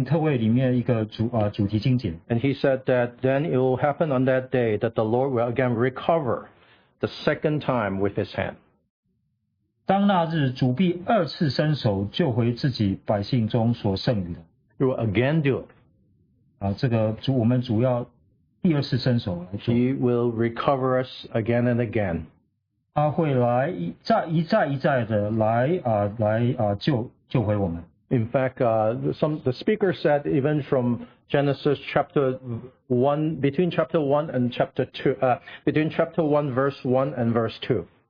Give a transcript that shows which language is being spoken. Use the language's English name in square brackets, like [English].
[Chinese] 这个是我们这个基督的家庭特会里面一个主题经典。 [English] And he said that then it will happen on that day that the Lord will again recover the second time with his hand. [Chinese] 当那日主必二次伸手救回自己百姓中所剩余的。 [English] He will again do it. [Chinese] 这个主我们主要 [English] He will recover us again and again. [Chinese] 他会来一再一再的来救回我们。 [English] In fact, the speaker said even from Genesis chapter 1, between chapter 1 and chapter 2, between chapter 1 verse 1 and verse 2.